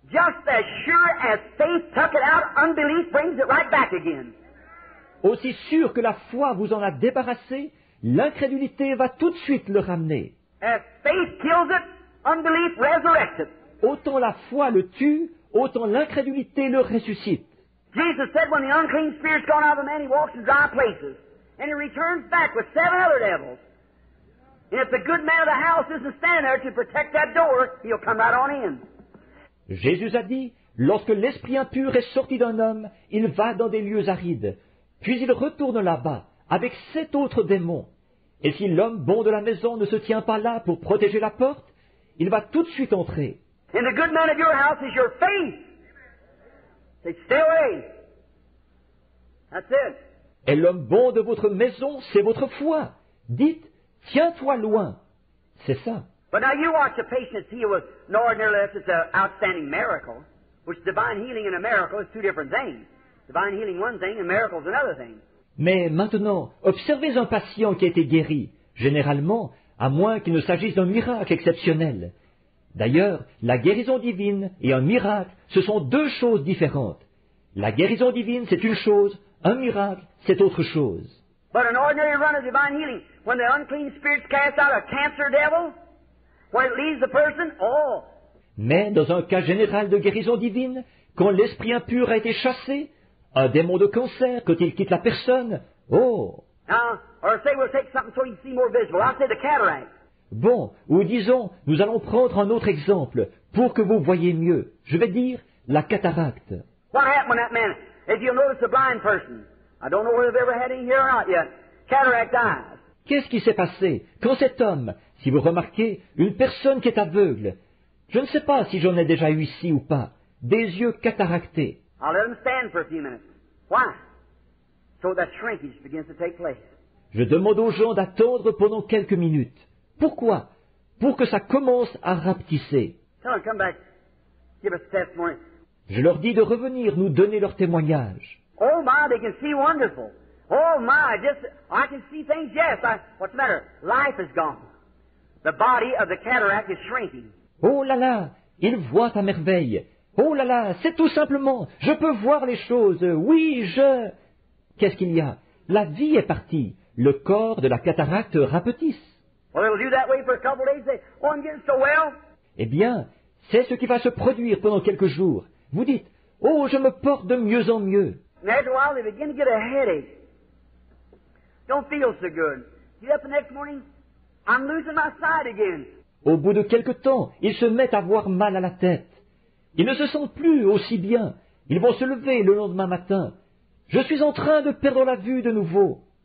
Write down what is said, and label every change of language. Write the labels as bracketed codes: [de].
[en] Just as sure as faith took it out, unbelief brings it right back again. [fr] Aussi sûr que la foi vous en a débarrassé, l'incrédulité va tout de suite le ramener. [en] As faith kills it, unbelief resurrects it. [fr] Autant la foi le tue, autant l'incrédulité le ressuscite. [en] Jesus said when the unclean spirit's gone out of a man, he walks in dry places. And he returns back with seven other devils. And if the good man of the house isn't standing there to protect that door, he'll come right on in. [fr] Jésus a dit, lorsque l'esprit impur est sorti d'un homme, il va dans des lieux arides. Puis il retourne là-bas, avec sept autres démons. Et si l'homme bon de la maison ne se tient pas là pour protéger la porte, il va tout de suite entrer. [en] And the good man of your house is your faith. Say, stay away. That's it. [fr] Et l'homme bon de votre maison, c'est votre foi. Dites, tiens-toi loin. C'est ça. [en] But now you watch the patient heal with no ordinary lift. It's an outstanding miracle. Which divine healing and a miracle is two different things. Divine healing one thing and miracle is another thing. [fr] Mais maintenant, observez un patient qui a été guéri, généralement, à moins qu'il ne s'agisse d'un miracle exceptionnel. D'ailleurs, la guérison divine et un miracle, ce sont deux choses différentes. La guérison divine, c'est une chose, un miracle, c'est autre chose. [en] But an ordinary run of divine healing, when the unclean spirits cast out a cancer devil, where it leaves the person, oh. [fr] Mais dans un cas général de guérison divine, quand l'esprit impur a été chassé, un démon de cancer, quand il quitte la personne, oh. [en] Or say we'll take something so you see more visible. I'll say the cataract. [fr] Bon, ou disons, nous allons prendre un autre exemple pour que vous voyez mieux. Je vais dire la cataracte. [en] What happened when that man, if you notice a blind person, I don't know whether they've ever had any here or not yet, cataract eyes. [fr] Qu'est-ce qui s'est passé quand cet homme, si vous remarquez, une personne qui est aveugle, je ne sais pas si j'en ai déjà eu ici ou pas, des yeux cataractés. [en] I'll let him stand for a few minutes. Why? So that shrinkage begins to take place. [fr] Je demande aux gens d'attendre pendant quelques minutes. Pourquoi? Pour que ça commence à rapetisser. [en] Tell them, come back. Give us a testimony. [fr] Je leur dis de revenir nous donner leur témoignage. [en] Oh my, they can see wonderful. Oh my, just, I can see things, yes. What's the matter? Life is gone. The body of the cataract is shrinking. [fr] Oh là là, ils voient à merveille. Oh là là, c'est tout simplement, je peux voir les choses. Oui, je... Qu'est-ce qu'il y a? La vie est partie. Le corps de la cataracte rapetisse. [en] Well, it'll do that way for a couple of days. Say, oh, I'm getting so well. [fr] Eh bien, c'est ce qui va se produire pendant quelques jours. Vous dites, oh, je me porte de mieux en mieux. [en] And after a while, they begin to get a headache. Don't feel so good. Get up the next morning, I'm losing my sight again. [fr] Au bout de quelque temps, ils se mettent à avoir mal à la tête. Ils ne se sentent plus aussi bien. Ils vont se lever le lendemain matin. Je suis en train de perdre la vue de nouveau.